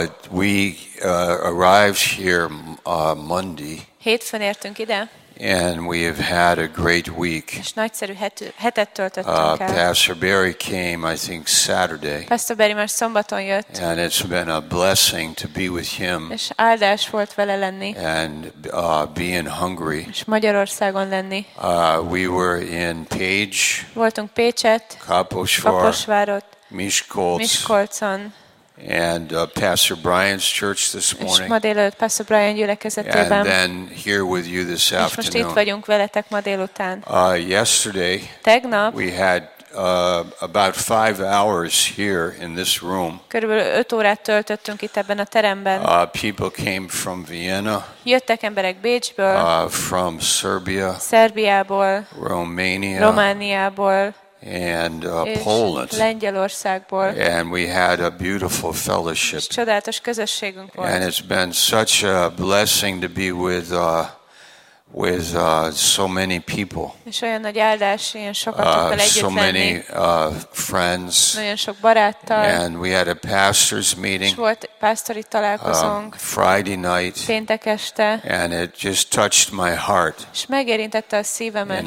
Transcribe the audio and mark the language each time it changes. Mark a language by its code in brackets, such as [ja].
[en] We arrived here Monday. [hu] Hétfőn értünk ide. [en] And we have had a great week. [hu] És nagyszerű hetet töltöttünk el. [en] Pastor Barry came, I think, Saturday. [hu] Pastor Barry már szombaton jött. [en] And it's been a blessing to be with him. [hu] És áldás volt vele lenni. [en] And be in Hungary. [hu] És Magyarországon lenni. [en] We were in Page. [hu] Voltunk Pécset. Kaposvárot. Miskolcon. [en] And Pastor Brian's church this morning. [hu] És ma délelőtt Pastor Brian gyülekezetében. [en] And then here with you this afternoon. [hu] És most itt vagyunk veletek ma délután. [en] Yesterday. [hu] Tegnap. [en] We had about 5 hours here in this room. [hu] Körülbelül 5 órát töltöttünk itt ebben a teremben. [en] People came from Vienna. [hu] Jöttek emberek Bécsből. [en] From Serbia. [hu] Szerbiából. [en] Romania. [hu] Romániából. [en] And Poland. [hu] Lengyelországból. [en] And we had a beautiful fellowship. [hu] És csodálatos közösségünk volt. [en] And it's been such a blessing to be with so many people. [hu] És olyan nagy áldás, ilyen sokakkal együtt lenni. [en] So many friends. [hu] Nagyon sok baráttal. [en] And we had a pastors meeting. [hu] És volt pásztori találkozónk. [en] Friday night. [hu] Péntek este. [en] And it just touched my heart. [hu] És megérintette a szívemet.